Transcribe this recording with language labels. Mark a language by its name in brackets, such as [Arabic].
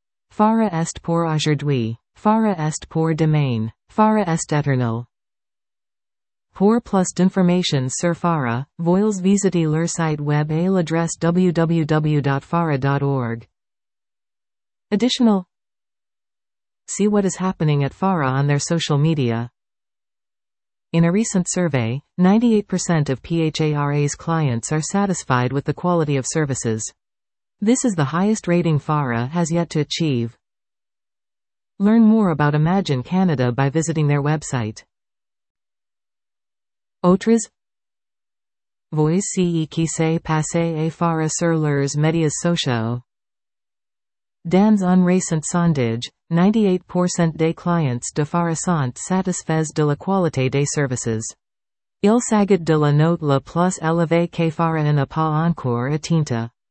[French] Fara est pour aujourd'hui. Fara est pour demain. Fara est éternel. Pour plus d'informations sur Fara, voyez visiter leur site web à l'adresse www.fara.org. [English] Additional. See what is happening at Fara on their social media. In a recent survey, 98% of PHARA's clients are satisfied with the quality of services. This is the highest rating Fara has yet to achieve. Learn more about Imagine Canada by visiting their website. [French] Autres? Voici qui s'est passé à Fara sur leurs médias sociaux. Dans un recent sondage, 98% des clients de Fara sont satisfaits de la qualité des services. Il s'agit de la note la plus élevée que Fara n'a pas encore atteinte.